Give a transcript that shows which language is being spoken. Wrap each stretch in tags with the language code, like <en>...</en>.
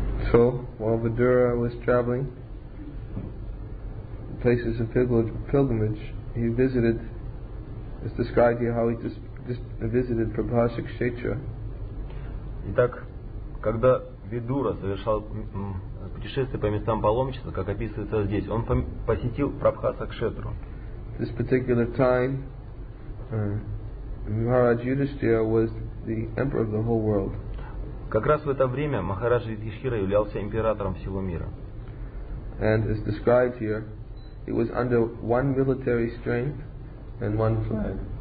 <en>So, while Vidura was traveling places of pilgrimage, he visited, it's described here how he visited Prabhasa Kshetra.</en> <ru>Итак, когда Видура совершал путешествие по местам паломничества, как описывается здесь, он посетил Прабхаса Кшетру.</ru> <en>This particular time, Maharaj Yudhisthira was the emperor of the whole world.</en> <ru>Как раз в это время Махараджа Юдхиштхира являлся императором всего мира.</ru> <en>And as described here, he was under one military strength and one flag.</en>